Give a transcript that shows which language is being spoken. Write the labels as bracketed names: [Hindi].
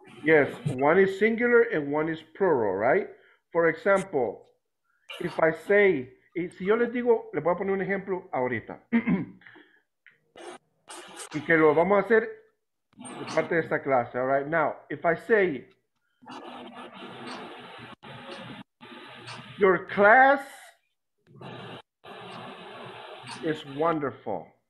[English] Yes, one is singular and one is plural, right? For example, if I say, [Spanish] y si yo les digo, les voy a poner un ejemplo ahorita. Y que lo vamos a hacer de parte de esta clase, [English] all right? Now, if I say, your class is wonderful.